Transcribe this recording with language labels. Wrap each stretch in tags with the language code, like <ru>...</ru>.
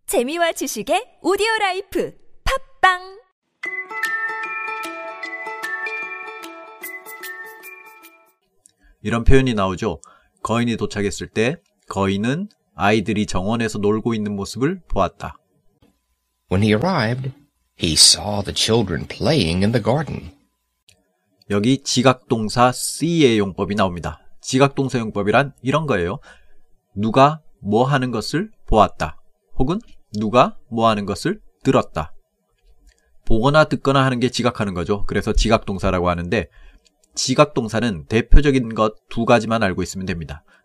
<ko>재미와 지식의 오디오라이프 팝빵 이런 표현이 나오죠. 거인이 도착했을 때 거인은 아이들이 정원에서 놀고 있는 모습을 보았다.</ko> <en>When he arrived, he saw the children playing in the garden.</en> <ko>여기 지각동사 see의 용법이 나옵니다. 지각동사 용법이란 이런 거예요. 누가 뭐 하는 것을 보았다. 혹은 누가 뭐 하는 것을 들었다. 보거나 듣거나 하는 게 지각하는 거죠. 그래서 지각동사라고 하는데 지각동사는 대표적인 것 두 가지만 알고 있으면 됩니다.</ko>